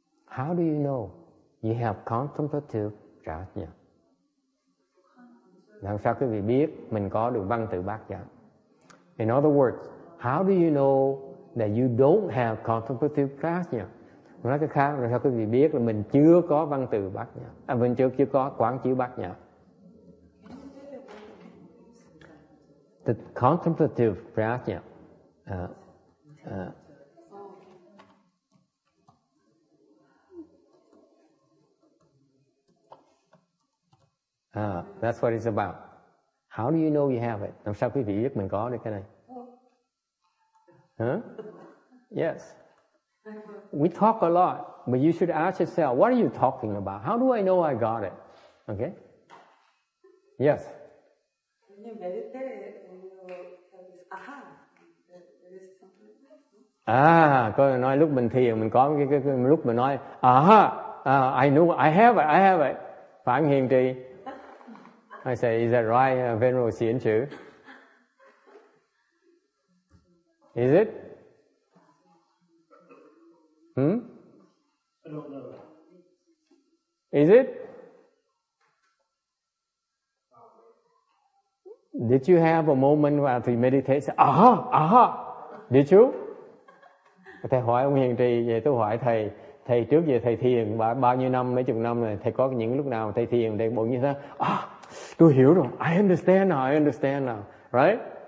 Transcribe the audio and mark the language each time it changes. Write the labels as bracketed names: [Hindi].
[English] How do you know you have contemplative prajna? [Vietnamese] Làm sao quý vị biết mình có được văn tự bát nhã? [English] In other words, how do you know that you don't have contemplative prajna? [Vietnamese] Nói cách khác, làm sao quý vị biết là mình chưa có văn tự bát nhã? À, mình chưa có quán chiếu bát nhã. [English] The contemplative prajna. That's what it's about. How do you know you have it? [Vietnamese] Làm sao quý vị biết mình có được cái này? [English] Yes. We talk a lot, but you should ask yourself, what are you talking about? How do I know I got it? Okay? Yes. When you meditate, when you have this aha, there is something. [Vietnamese] Ah, có nói lúc mình thiền, mình có cái lúc mình nói, aha, [English] I know, I have it. [Vietnamese] Phản hiện trì. [English] I say, is that right, Venerable Xian Chu? Is it? I don't know. Is it? Did you have a moment where you meditate? Say, aha, aha. Did you? [Vietnamese] Thầy hỏi ông Hiền Trì, vậy tôi hỏi thầy. Thầy trước giờ thầy thiền bao nhiêu năm, mấy chục năm rồi, thầy có những lúc nào thầy thiền thầy bỗng như thế, tôi hiểu rồi, [English] I understand now, right?